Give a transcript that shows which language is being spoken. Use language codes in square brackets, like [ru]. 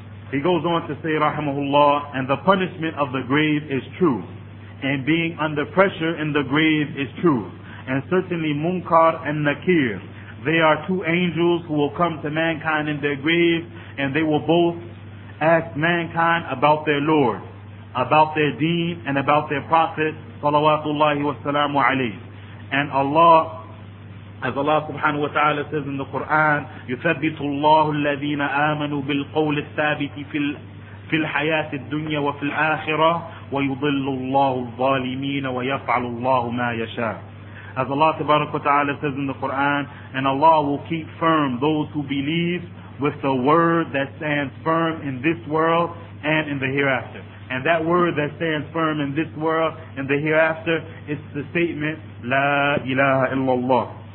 [en] He goes on to say, rahimahullah, and the punishment of the grave is true, and being under pressure in the grave is true, and certainly Munkar and Nakir, they are two angels who will come to mankind in their grave, and they will both ask mankind about their Lord, about their deen, and about their Prophet, salawatullahi wasalamu alayhi. And Allah, as Allah subhanahu wa ta'ala says in the Quran, [ar] يُثَبِّتُ اللَّهُ الَّذِينَ آمَنُوا بِالْقَوْلِ الثَّابِتِ فِي الْحَيَاةِ الدُّنْيَا وَفِي الْآخِرَةِ وَيُضِلُّ اللَّهُ الظَّالِمِينَ وَيَفْعَلُ اللَّهُ مَا يَشَاءُ. [en] As Allah subhanahu wa ta'ala says in the Quran, and Allah will keep firm those who believe with the word that stands firm in this world and in the hereafter. And that word that stands firm in this world and the hereafter, it's the statement, La ilaha illallah.